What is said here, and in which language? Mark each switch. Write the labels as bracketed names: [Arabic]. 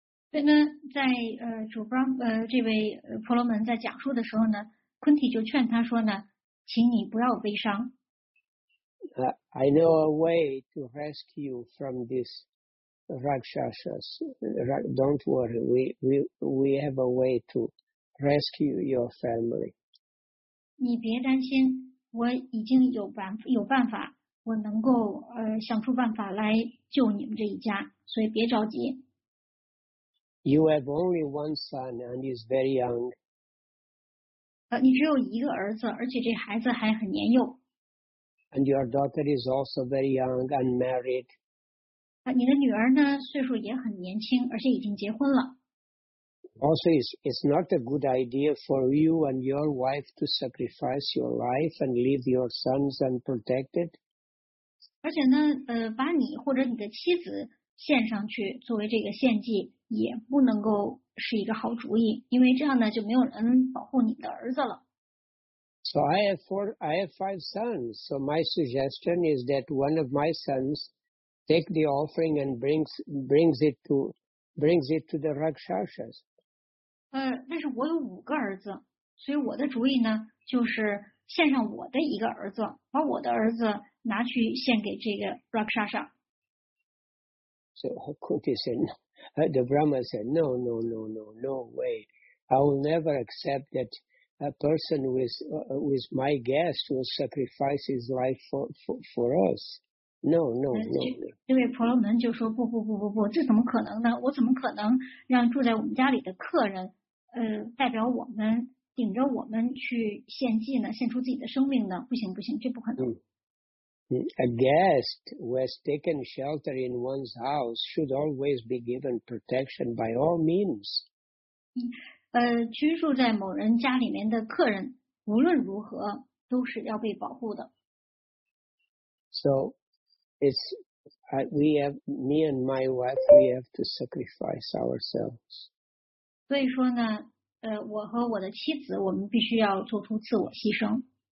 [Chinese] 所以呢，在这位婆罗门在讲述的时候呢，昆蒂就劝他说呢，请你不要悲伤。 [English] I know a way to rescue you from this Rakshasas. Don't worry, we have a way to rescue your family. [Chinese] 你别担心，我已经有办法，我能够想出办法来救你们这一家，所以别着急。 [English] You have only one son, and he's very young. [Chinese] 你只有一个儿子，而且这孩子还很年幼。 [English] And your daughter is also very young and married. [Chinese] 你的女儿呢，岁数也很年轻，而且已经结婚了。 [English] Also, it's not a good idea for you and your wife to sacrifice your life and leave your sons unprotected. [Chinese] 而且呢，把你或者你的妻子献上去作为这个献祭，也不能够是一个好主意，因为这样呢，就没有人保护你的儿子了。 [English] So I have five sons. So my suggestion is that one of my sons take the offering and brings it to the Rakshasas. [Chinese] 但是我有五个儿子，所以我的主意呢，就是献上我的一个儿子，把我的儿子拿去献给这个 Rakshasa。 [English] So Kunti said, the Brahma said, no way. I will never accept that. A person who is my guest will sacrifice his life for us. No. [Chinese] 这位婆罗门就说不，这怎么可能呢？我怎么可能让住在我们家里的客人，代表我们顶着我们去献祭呢？献出自己的生命呢？不行，这不可能。 [English] A guest who has taken shelter in one's house should always be given protection by all means. [Chinese] 居住在某人家里面的客人，无论如何都是要被保护的。 [English] So, me and my wife, we have to sacrifice ourselves. [Chinese] 所以说呢，我和我的妻子，我们必须要做出自我牺牲。